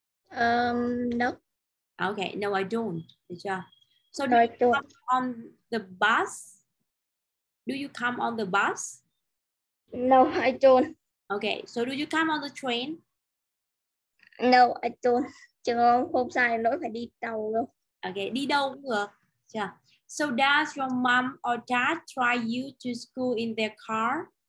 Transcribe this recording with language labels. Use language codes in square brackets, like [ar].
[en] No. Ok, no I don't. [vi] Được chưa? [en] So do you come on the bus? Do you come on the bus? No, I don't. Okay, so do you come on the train? No, I don't. [vi] Trường hôm sau nó phải đi tàu luôn. Okay, đi đâu cũng được. Yeah. [en] So does your mom or dad try you to school in their car?